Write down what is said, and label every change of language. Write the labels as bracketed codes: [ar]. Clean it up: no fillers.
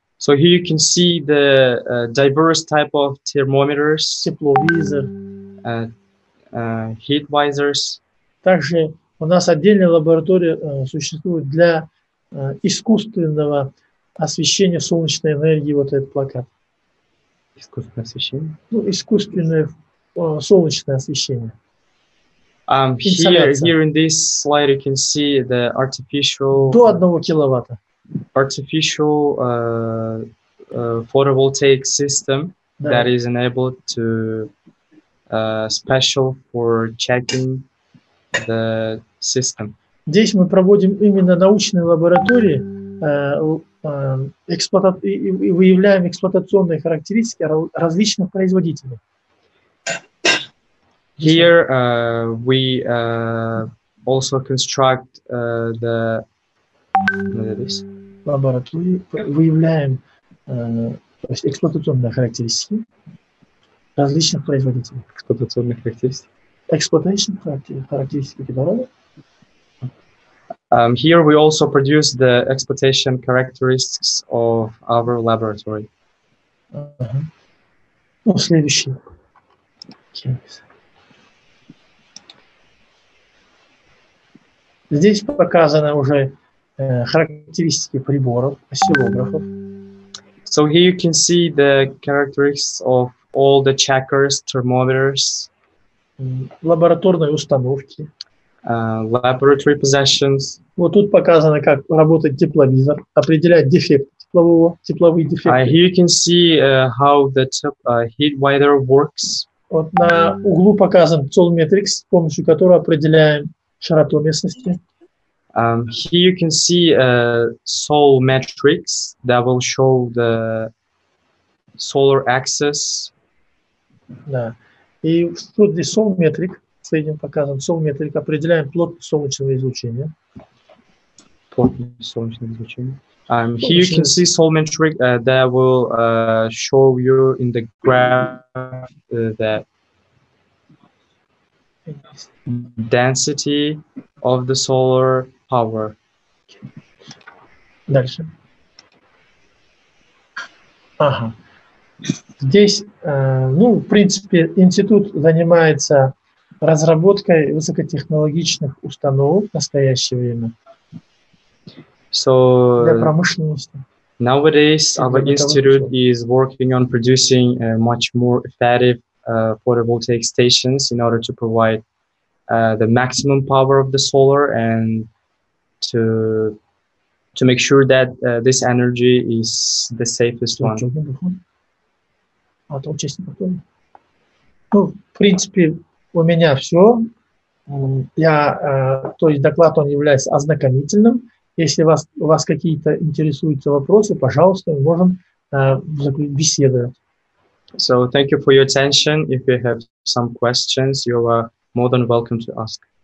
[en] So here you can see the diverse type of thermometers, [ru] тепловизор, [en] heat visors. [ru] Также у нас отдельная лаборатория существует для искусственного освещения солнечной энергии, вот этот плакат. Искусственное освещение? Ну, искусственное солнечное освещение. [en] Here in this slide you can see the artificial... [ru] До 1 киловатта. [en] Artificial photovoltaic system, да, that is enabled to special for checking the system. [ru] Здесь мы проводим именно научные лаборатории, и выявляем эксплуатационные характеристики различных производителей. [en] Here we also construct the [ru] лаборатории, выявляем эксплуатационные характеристики различных производителей. Эксплуатационные характеристики. [en] Exploitation [ru] характеристики кислорода. [en] Here we also produce the exploitation characteristics of our laboratory. [ru] Ну, следующий. Здесь показаны уже характеристики приборов, осциллографов. [en] So here you can see the characteristics of all the checkers, thermometers, [ru] лабораторные установки, [en] laboratory possessions. [ru] Вот тут показано, как работает тепловизор, определяет дефект теплового, тепловые дефекты. [en] Here you can see how the heat visor works. [ru] Вот на углу показан цолметрикс, с помощью которого определяем широту местности. [en] Here you can see a sol matrix that will show the solar axis. [ru] Да. И тут здесь солметрик, следим показан солметрик, определяем плотность солнечного излучения. Плотность солнечного излучения. [en] Here you can see sol matrix that will show you in the graph that density of the solar power. [ru] Дальше. Ага. Здесь, ну, в принципе, институт занимается разработкой высокотехнологичных установок в настоящее время. [en] So, [ru] для промышленности. [en] Nowadays, our institute is working on producing much more effective photovoltaic stations in order to provide the maximum power of the solar and to make sure that this energy is the safest one. [ru] А то честно потом. Ну, в принципе, у меня все. Я, то есть доклад он является ознакомительным. Если у вас какие-то интересуются вопросы, пожалуйста, мы можем беседовать. [en] So thank you for your attention. If you have some questions, you are more than welcome to ask.